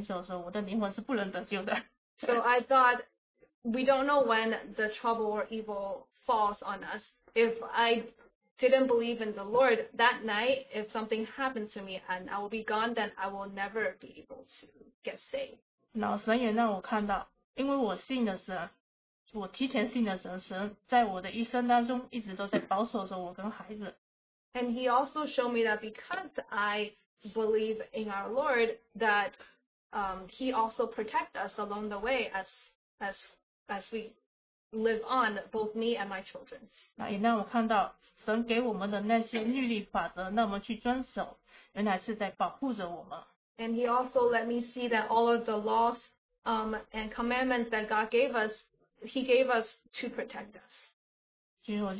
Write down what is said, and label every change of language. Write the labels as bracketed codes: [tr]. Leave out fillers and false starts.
[zh] 然后我心里面就有一个看见说，如果人的祸患是不知道什么时候临到的，如果我还没相信主，我当天就已经发生事情被神领走的时候，我的灵魂是不能得救的。 [en] So I thought we don't know when the trouble or evil falls on us. If I didn't believe in the Lord that night, if something happened to me and I will be gone, then I will never be able to get saved. [zh] 然后神也让我看到。因为我信了神，我提前信了神，神在我的一生当中一直都在保守着我跟孩子。 [en] And he also showed me that because I believe in our Lord, that he also protect us along the way as we live on, both me and my children. [zh] 那也让我看到神给我们的那些律例法则，那么去遵守，原来是在保护着我们。 [en] And he also let me see that all of the laws and commandments that God gave us, He gave us to protect us.